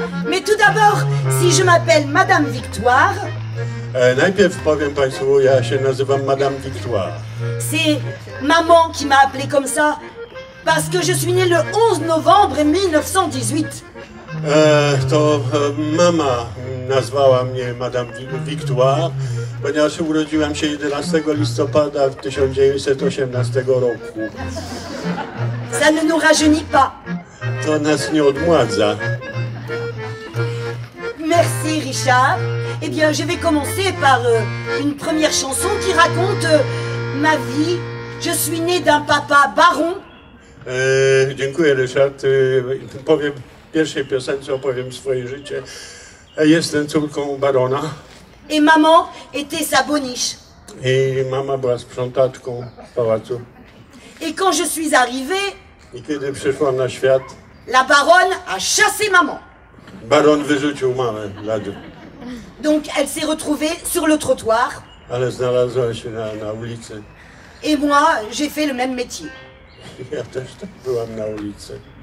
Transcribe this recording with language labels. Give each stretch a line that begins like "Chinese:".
French: Mais tout d'abord, si je m'appelle Madame Victoire,
Polish: najpierw powiem Państwu, ja się nazywam Madame Victoire.
French: C'est maman qui m'a appelé comme ça, parce que je suis née le 11 novembre 1918.
Polish: To mama nazwała mnie Madame Victoire, ponieważ urodziłam się 11 listopada 1918 roku.
French: Ça ne nous rajeunit pas.
Polish: To nas nie odmładza.
French: Merci Richard. Eh bien, je vais commencer par une première chanson qui raconte ma vie. Je suis née d'un papa baron.
Polish: Dziękuję Richard. Powiem pierwszej piosence, opowiem swoje życie. Jestem córką barona.
French: Et maman était sa boniche.
Polish: I mama była sprzątaczką pałacu.
French: Et quand je suis arrivée,
Polish: i kiedy przyszłam na świat,
French: la baronne a chassé maman.
Polish: Baron wyrzucił mamę na dół.
French: Donc elle s'est retrouvée sur le trottoir.
Polish: Ale znalazła się na ulicy.
French: Et moi, j'ai fait le même métier.
Polish: Ja też tak byłam na ulicy.